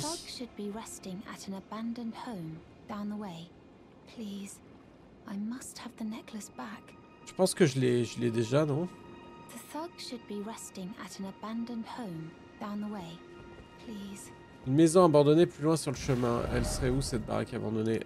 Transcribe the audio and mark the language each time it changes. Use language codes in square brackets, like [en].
[en] The thug should be resting at an abandoned home down the way. Please, I must have the necklace back. [fr] Je pense que je l'ai déjà, non? [en] The thug should be resting at an abandoned home down the way. Please, [fr] Une maison abandonnée plus loin sur le chemin. Elle serait où cette baraque abandonnée?